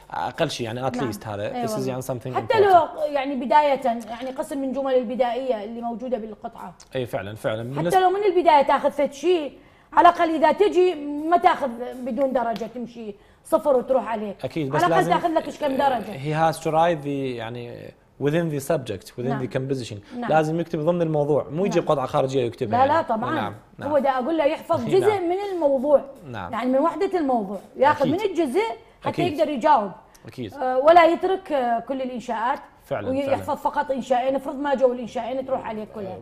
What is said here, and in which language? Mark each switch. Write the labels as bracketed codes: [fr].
[ar] اقل شيء يعني [en] at least [ar] نعم. هذا [en] this is [ar] يعني [en] something [ar] حتى لو يعني بدايه يعني قسم من جمل البدائيه اللي موجوده بالقطعه اي فعلا فعلا حتى لو من البدايه تاخذ فد شيء على الأقل إذا تجي ما تأخذ بدون درجة تمشي صفر وتروح عليه أكيد بس على الأقل تأخذ لك إيش كم درجة [en] he has to write the [ar] يعني [en] within the subject within [ar] نعم. [en] the composition نعم. [ar] لازم يكتب ضمن الموضوع مو يجي نعم. قطعة خارجية يكتبها لا يعني. لا طبعا نعم. نعم. هو ده أقول له يحفظ جزء نعم. من الموضوع نعم. يعني من وحدة الموضوع يأخذ أكيد. من الجزء حتى أكيد. يقدر يجاوب أكيد ولا يترك كل الإنشاءات فعلا ويحفظ فقط انشائين افرض ما جو الانشائين تروح عليه كلها